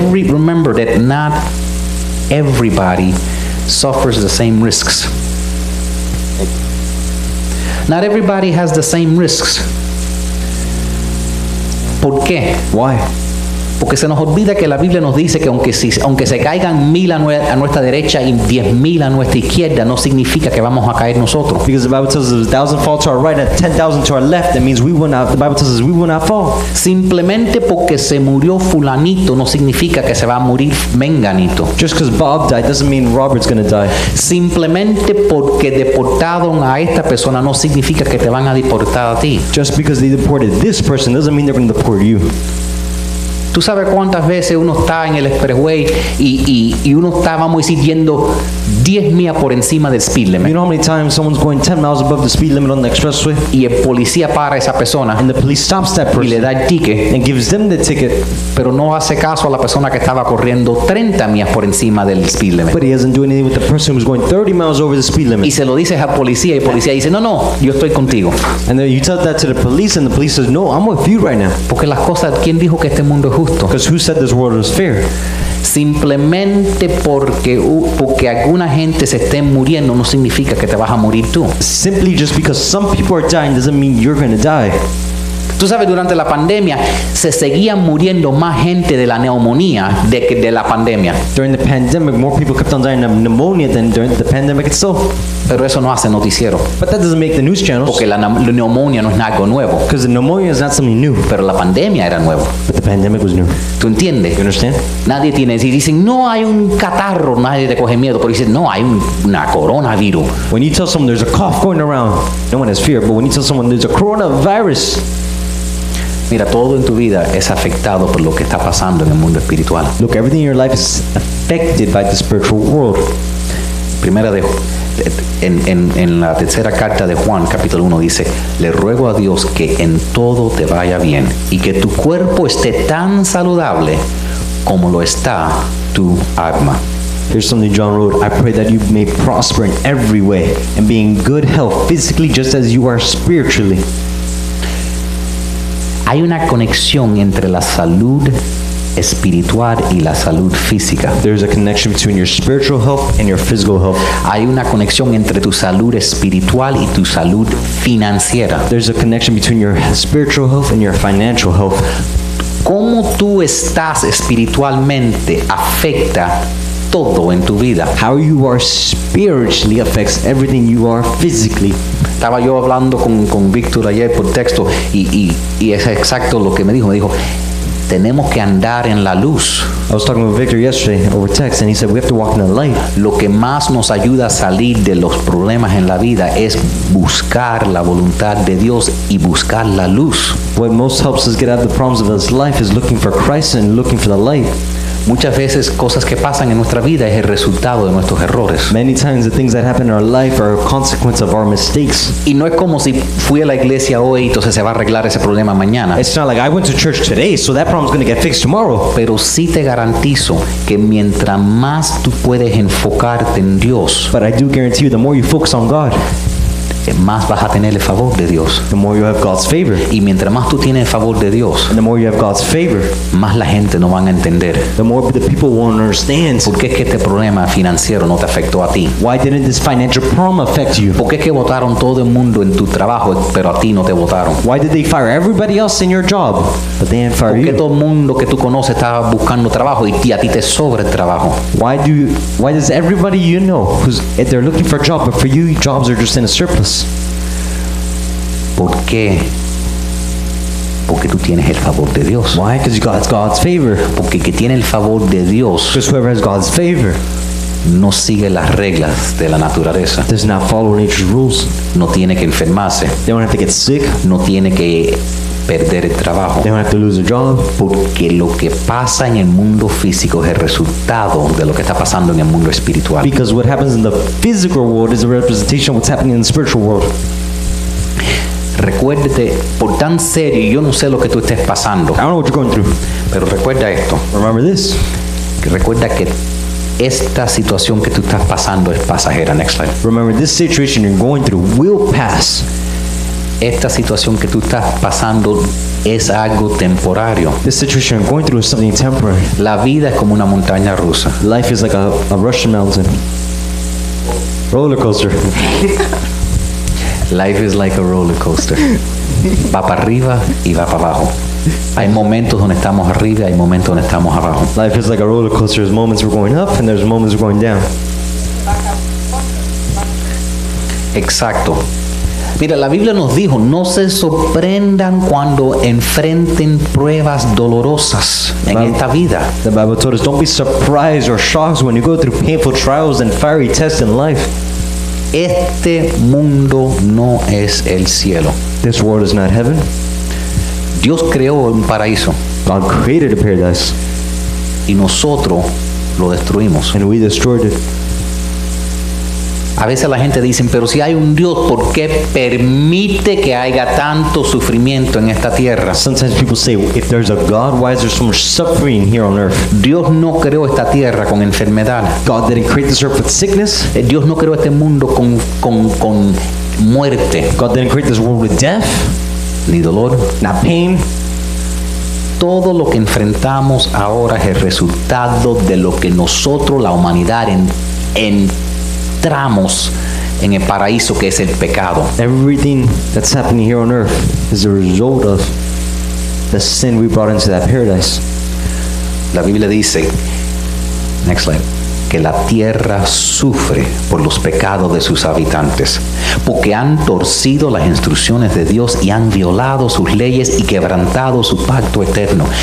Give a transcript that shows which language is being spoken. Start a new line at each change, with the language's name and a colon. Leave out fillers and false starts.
English: Remember that not everybody suffers the same risks. Not everybody has the same risks.
Spanish: ¿Por qué?
English: Why?
Spanish: Porque se nos olvida que la Biblia nos dice que aunque se caigan 1,000 a nuestra derecha y 10,000 a nuestra izquierda, no significa que vamos a caer nosotros.
English: Because the Bible tells us 1,000 fall to our right and 10,000 to our left, that means the Bible tells us we will not fall.
Spanish: Simplemente porque se murió fulanito no significa que se va a morir menganito.
English: Just because Bob died doesn't mean Robert's going to die.
Spanish: Simplemente porque deportaron a esta persona no significa que te van a deportar a ti.
English: Just because they deported this person doesn't mean they're going to deport you.
Spanish: ¿Tú sabes cuántas veces uno está en el expressway y uno está, vamos a decir, yendo 10 millas por encima del speed limit?
English: You know how many times someone's going 10 miles above the speed limit on the expressway?
Spanish: Y el policía para esa persona.
English: And the police stops that person.
Spanish: Y le da el ticket.
English: And gives them the ticket.
Spanish: Pero no hace caso a la persona que estaba corriendo 30 millas por encima del speed limit.
English: But he doesn't do anything with the person who's going 30 miles over the speed limit.
Spanish: Y se lo dices al policía y el policía dice, no, yo estoy contigo.
English: And then you tell that to the police and the police says, no, I'm with you right now.
Spanish: Porque las cosas, ¿quién dijo que este mundo es?
English: Because who said this world was fair?
Spanish: Simplemente porque alguna gente se esté muriendo no significa que te vas a morir tú.
English: Simply just because some people are dying doesn't mean you're going to die.
Spanish: Tú sabes, durante la pandemia se seguían muriendo más gente de la neumonía de la pandemia.
English: During the pandemic, more people kept on dying of pneumonia than during the pandemic itself.
Spanish: Pero eso no hace noticiero.
English: But that doesn't make the news channels.
Spanish: Porque la neumonía no es algo nuevo.
English: Because the pneumonia is not something new.
Spanish: Pero la pandemia era nuevo.
English: But the pandemic was new.
Spanish: ¿Tú entiendes?
English: You understand?
Spanish: Nadie tiene. Si dicen no hay un catarro, nadie te coge miedo. Pero dicen no hay una coronavirus.
English: When you tell someone there's a cough going around, no one has fear. But when you tell someone there's a coronavirus.
Spanish: Mira, todo en tu vida es afectado por lo que está pasando en el mundo espiritual.
English: Look, everything in your life is affected by the spiritual world.
Spanish: Primera de en la tercera carta de Juan, capítulo 1, dice, le ruego a Dios que en todo te vaya bien y que tu cuerpo esté tan saludable como lo está tu alma.
English: Here's something John wrote, I pray that you may prosper in every way and be in good health physically just as you are spiritually.
Spanish: Hay una conexión entre la salud espiritual y la salud física.
English: There's a connection between your spiritual health and your physical health.
Spanish: Hay una conexión entre tu salud espiritual y tu salud financiera.
English: There's a connection between your spiritual health and your financial health.
Spanish: ¿Cómo tú estás espiritualmente afecta todo en tu vida?
English: How you are spiritually affects everything you are physically.
Spanish: Estaba yo hablando con Víctor ayer por texto y es exacto lo que me dijo. Me dijo, tenemos que andar en la luz.
English: I was talking with Victor yesterday over text and he said, we have to walk in the light.
Spanish: Lo que más nos ayuda a salir de los problemas en la vida es buscar la voluntad de Dios y buscar la luz.
English: What most helps us get out of the problems of this life is looking for Christ and looking for the light.
Spanish: Muchas veces cosas que pasan en nuestra vida es el resultado de nuestros errores.
English: Many times the things that happen in our life are a consequence of our mistakes.
Spanish: Y no es como si fui a la iglesia hoy y entonces se va a arreglar ese problema mañana.
English: It's not like I went to church today, so that problem is going to get fixed tomorrow.
Spanish: Pero sí te garantizo que mientras más tú puedes enfocarte en Dios,
English: but I do guarantee you, the more you focus on God,
Spanish: más vas a tener el favor de Dios.
English: The more you have God's favor.
Spanish: Y mientras más tú tienes el favor de Dios,
English: the more you have God's favor,
Spanish: más la gente no van a entender.
English: The more the people won't understand.
Spanish: ¿Por qué es que este problema financiero no te afectó a ti?
English: Why didn't this financial problem affect you?
Spanish: ¿Por qué es que votaron todo el mundo en tu trabajo, pero a ti no te votaron?
English: Why did they fire everybody else in your job, but they didn't fire you?
Spanish: ¿Por qué todo el mundo que tú conoces está buscando trabajo y a ti te sobra el trabajo?
English: Why does everybody you know who's they're looking for a job, but for you jobs are just in a surplus?
Spanish: ¿Por qué? Porque tú tienes el favor de Dios.
English: Why? Because you got God's favor.
Spanish: Porque que tiene el favor de Dios.
English: Because whoever has God's favor,
Spanish: no sigue las reglas de la naturaleza.
English: Does not follow nature's rules.
Spanish: No tiene que enfermarse.
English: They don't have to get sick.
Spanish: No tiene que perder el trabajo.
English: They don't have to lose a job.
Spanish: Porque lo que pasa en el mundo físico es el resultado de lo que está pasando en el mundo espiritual.
English: Because what happens in the physical world is a representation of what's happening in the spiritual world.
Spanish: recuerde por tan serio, yo no sé lo que tú estés pasando.
English: I don't know what you're going through.
Spanish: Pero recuerda esto.
English: Remember this.
Spanish: Recuerda que esta situación que tú estás pasando es pasajera.
English: Next slide. Remember, this situation you're going through will pass.
Spanish: Esta situación que tú estás pasando es algo temporario.
English: This situation you're going through is something temporary.
Spanish: La vida es como una montaña rusa.
English: Life is like a Russian mountain. Roller coaster. Life is like a roller coaster.
Spanish: Va para arriba y va para abajo. Hay momentos donde estamos arriba y hay momentos donde estamos abajo.
English: Life is like a roller coaster. There's moments we're going up and there's moments we're going down.
Spanish: Exacto. Mira, la Biblia nos dijo, no se sorprendan cuando enfrenten pruebas dolorosas en esta vida.
English: The Bible told us, don't be surprised or shocked when you go through painful trials and fiery tests in life.
Spanish: Este mundo no es el cielo.
English: This world is not heaven.
Spanish: Dios creó un paraíso.
English: God created a paradise.
Spanish: Y nosotros lo destruimos.
English: And we destroyed it.
Spanish: A veces la gente dice, pero si hay un Dios, ¿por qué permite que haya tanto sufrimiento en esta tierra?
English: Sometimes people say, if there's a God, why is there so much suffering here on earth?
Spanish: Dios no creó esta tierra con enfermedad.
English: God didn't create this earth with sickness.
Spanish: Dios no creó este mundo con muerte.
English: God didn't create this world with death.
Spanish: Ni dolor.
English: Not pain.
Spanish: Todo lo que enfrentamos ahora es el resultado de lo que nosotros, la humanidad, entramos en el paraíso, que es el pecado.
English: Everything that's happening here on earth is a result of the sin we brought into that paradise.
Spanish: La Biblia dice,
English: next slide,
Spanish: que la tierra sufre por los pecados de sus habitantes, porque han torcido las instrucciones de Dios y han violado sus leyes y quebrantado su pacto eterno.